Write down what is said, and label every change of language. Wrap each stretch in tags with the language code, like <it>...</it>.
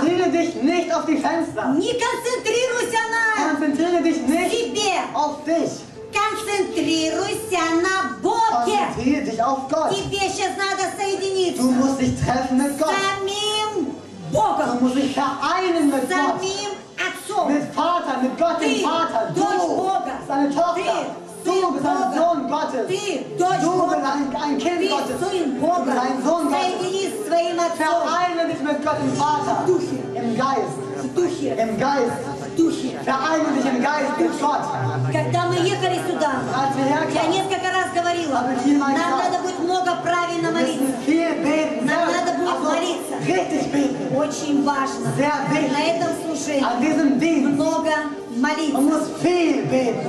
<de>Konzentriere dich nicht auf die Fenster.</de> <ru>Не концентрируйся на себе.</ru> <de>Konzentriere dich nicht</de> <ru>себе.</ru> <de>Auf dich.</de> <ru>Концентрируйся. Концентрируйся на Боге. Тебе сейчас надо соединиться. С самим Богом. С самим Отцом.</ru> <de>Mit Vater, mit Gott,</de> <ru>ты</ru> <de>Vater,</de> <ru>дочь</ru> <de>du,</de> <ru>Бога.</ru> <de>Seine Tochter.</de> <ru>Ты.</ru> <de>Du bist ein Sohn Gottes. Du bist ein Kind Gottes. Du bist ein Sohn Gottes. Vereine dich mit Gott, dem Vater. Im Geist. Im Geist. Vereine dich im Geist mit Gott.</de> <ru>Когда мы ехали сюда, я несколько раз говорила, нам надо будет много правильно молиться. Нам надо будет молиться. Очень важно. На этом слушании много молиться.</ru>